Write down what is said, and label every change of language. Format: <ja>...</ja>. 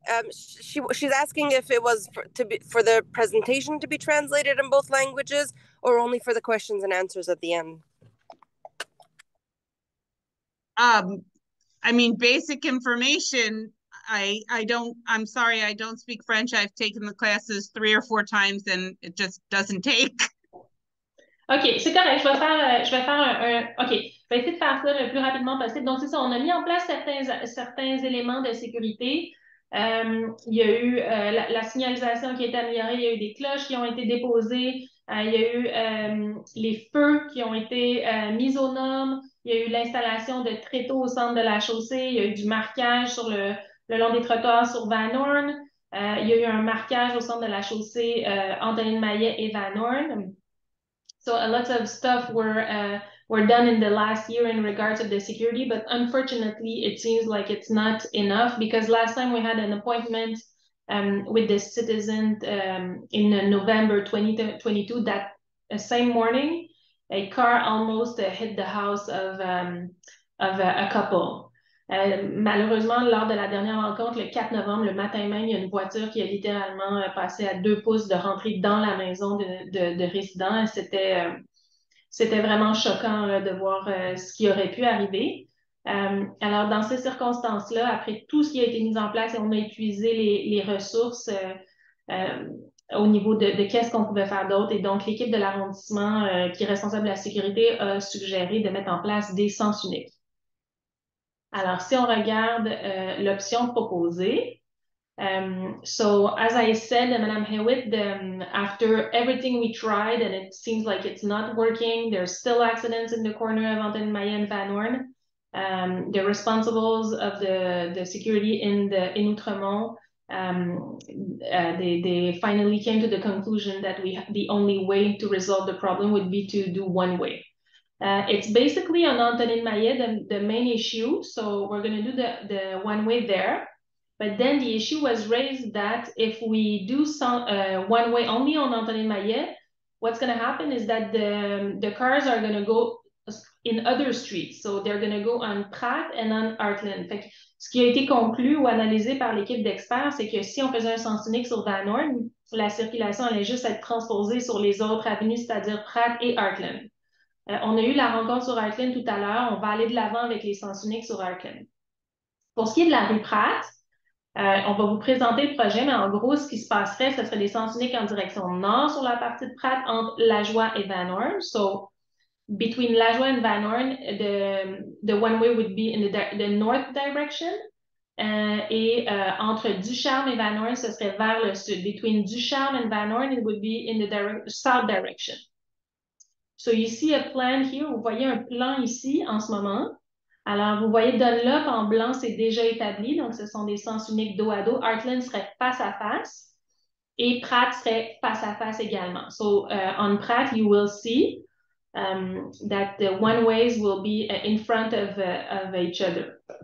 <en>She's asking if it was for the presentation to be translated in both languages or only for the questions and answers at the end. I mean, basic information. I'm sorry, I don't speak French. I've taken the classes 3 or 4 times and it just doesn't take.</en> <fr>OK, c'est correct. Je vais faire un OK. Je vais essayer de faire ça le plus rapidement possible. Donc, c'est ça. On a mis en place certains éléments de sécurité. Il y a eu la signalisation qui a été améliorée. Il y a eu des cloches qui ont été déposées. Il y a eu les feux qui ont été mis aux normes. Il y a eu l'installation de tréteaux au centre de la chaussée. Il y a eu du marquage sur le long des trottoirs sur Van Horn. Il y a eu un marquage au centre de la chaussée Antonine Maillet et Van Horn.</fr> <en>So a lot of stuff were done in the last year in regards of the security, but unfortunately, it seems like it's not enough because last time we had an appointment with the citizen in November 2022, that same morning, a car almost hit the house of a couple.</en> <fr>Malheureusement, lors de la dernière rencontre, le 4 novembre, le matin même, il y a une voiture qui a littéralement passé à 2 pouces de rentrer dans la maison de résidents. C'était vraiment choquant là, de voir ce qui aurait pu arriver. Alors, dans ces circonstances-là, après tout ce qui a été mis en place, on a utilisé les ressources au niveau de qu'est-ce qu'on pouvait faire d'autre. Et donc, l'équipe de l'arrondissement qui est responsable de la sécurité a suggéré de mettre en place des sens uniques. Alors, si on regarde l'option proposée,</fr> <en>so as I said, Madame Hewitt, after everything we tried and it seems like it's not working, there's still accidents in the corner of Antenne Maillet and Van Horn. The responsibles of the security in Outremont, they finally came to the conclusion that the only way to resolve the problem would be to do one way. It's basically on Antonin Maillet, the main issue. So we're going to do the one way there. But then the issue was raised that if we do one way only on Antonin Maillet, what's going to happen is that the cars are going to go in other streets. So they're going to go on Pratt and on Heartland.</en> <fr>Fait que ce qui a été conclu ou analysé par l'équipe d'experts, c'est que si on faisait un sens unique sur Van Horn, la circulation allait juste être transposée sur les autres avenues, c'est-à-dire Pratt et Heartland. On a eu la rencontre sur Arklin tout à l'heure. On va aller de l'avant avec les sens uniques sur Arklin. Pour ce qui est de la rue Pratt, on va vous présenter le projet, mais en gros, ce qui se passerait, ce serait les sens uniques en direction nord sur la partie de Pratt entre Lajoie et Van Horn.</fr> <en>So, between Lajoie and Van Horn, the one way would be in the north direction.</en> <fr>Et entre Ducharme et Van Horn, ce serait vers le sud.</fr> <en>Between Ducharme and Van Horn, it would be in the south direction. So you see a plan here,</en> <fr>vous voyez un plan ici en ce moment. Alors, vous voyez Dunlop en blanc, c'est déjà établi. Donc, ce sont des sens uniques dos à dos. Heartland serait face à face et Pratt serait face à face également.</fr> <en>So on Pratt, you will see that the one ways will be in front of each other.</en>